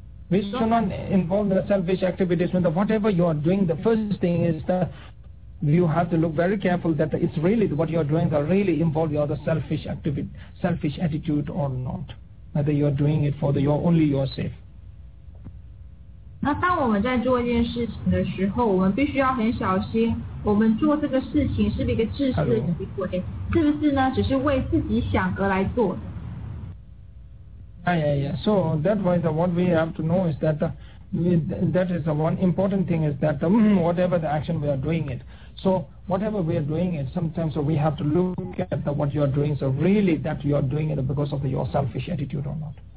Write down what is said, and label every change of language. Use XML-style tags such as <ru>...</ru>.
<en>We should not involve the selfish activities. With the, whatever you are doing, the first thing is that you have to look very careful that it's really what you are doing that really involve your selfish activity, selfish attitude or not. Whether you are doing it for the your only yourself.</en> <zh>那当我们在做一件事情的时候，我们必须要很小心，我们做这个事情是不是一个自私的行为，是不是呢？只是为自己想而来做。Yeah.</zh> <en>So that was the what we have to know is that that is the one important thing is that whatever the action we are doing it. So whatever we are doing it, sometimes we have to look at the, what you are doing. So really, that you are doing it because of the, your selfish attitude or not.</en>